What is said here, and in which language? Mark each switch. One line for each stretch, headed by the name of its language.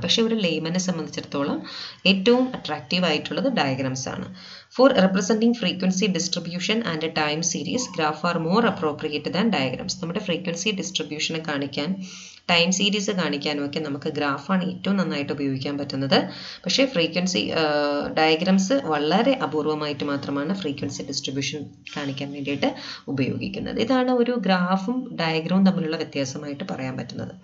Malayalam: പക്ഷേ ഒരു ലേമനെ സംബന്ധിച്ചിടത്തോളം ഏറ്റവും അട്രാക്റ്റീവ് ആയിട്ടുള്ളത് ഡയഗ്രാംസ് ആണ്.
English: For representing frequency distribution and a time series, graph are more appropriate than diagrams.
Malayalam: നമ്മുടെ ഫ്രീക്വൻസി ഡിസ്ട്രിബ്യൂഷനെ കാണിക്കാൻ ടൈം സീരീസ് കാണിക്കാനുമൊക്കെ നമുക്ക് ഗ്രാഫാണ് ഏറ്റവും നന്നായിട്ട് ഉപയോഗിക്കാൻ പറ്റുന്നത്. പക്ഷേ ഫ്രീക്വൻസി ഡയഗ്രാംസ് വളരെ അപൂർവമായിട്ട് മാത്രമാണ് ഫ്രീക്വൻസി ഡിസ്ട്രിബ്യൂഷൻ കാണിക്കാൻ വേണ്ടിയിട്ട് ഉപയോഗിക്കുന്നത്. ഇതാണ് ഒരു ഗ്രാഫും ഡയഗ്രാമും തമ്മിലുള്ള വ്യത്യാസമായിട്ട് പറയാൻ പറ്റുന്നത്.